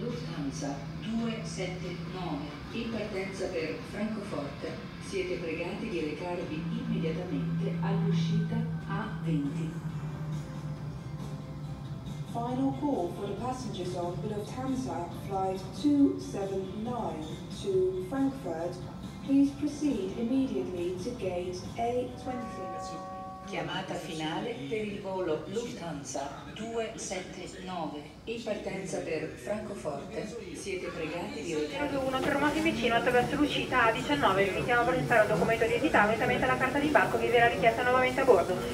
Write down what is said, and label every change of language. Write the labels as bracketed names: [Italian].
[Italian] Monza 279, in partenza per Francoforte, siete pregati di recarvi immediatamente all'uscita A20. [English] Final call for the passengers on Lufthansa flight 279 to Frankfurt. Please proceed immediately to gate A20. [Italian] Chiamata finale per il volo Lufthansa 279 in partenza per Francoforte. Siete pregati di ricordare. 1 per Roma Fiumicino attraverso l'uscita A19. Vi invitiamo a presentare un documento di identità, unitamente alla carta di imbarco, vi verrà richiesta nuovamente a bordo.